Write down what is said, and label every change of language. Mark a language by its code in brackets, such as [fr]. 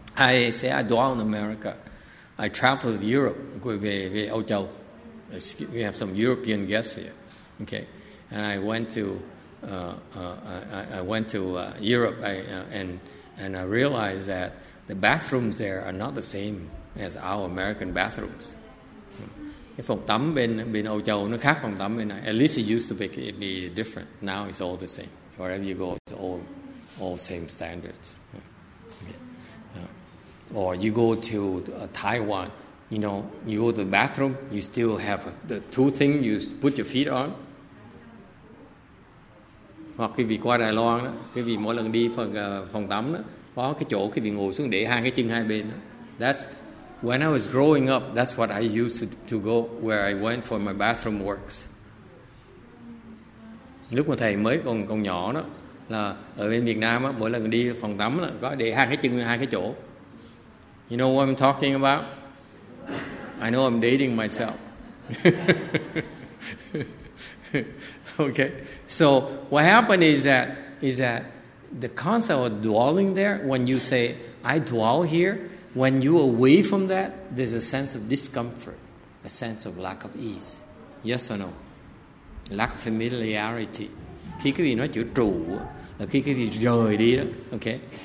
[en] I say I dwell in America. I travel to Europe, [vi] về Âu Châu. [en] We have some European guests here. Okay. And I went to Europe and I realized that the bathrooms there are not the same as our American bathrooms. [vi] Cái phòng tắm bên Âu Châu nó khác phòng tắm bên này. [en] At least it used to be different. Now it's all the same. Wherever you go, it's all same standards. Or you go to Taiwan, you know, you go to the bathroom, you still have the two things you put your feet on. [vi] Hoặc khi bị qua Đài Loan, quý vị mỗi lần đi phòng tắm, có cái chỗ khi bị ngồi xuống để hai cái chân hai bên. [en] That's when I was growing up, that's what I used to go where I went for my bathroom works. [vi] Lúc mà thầy mới còn nhỏ đó, là ở bên Việt Nam, mỗi lần đi phòng tắm, có để hai cái chân hai cái chỗ. [en] You know what I'm talking about? I know I'm dating myself. Okay. So what happened is that the concept of dwelling there, when you say, I dwell here, when you're away from that, there's a sense of discomfort, a sense of lack of ease. Yes or no? Lack of familiarity. [vi] Khi quý vị nói chữ trụ, là khi quý vị rời đi đó, okay?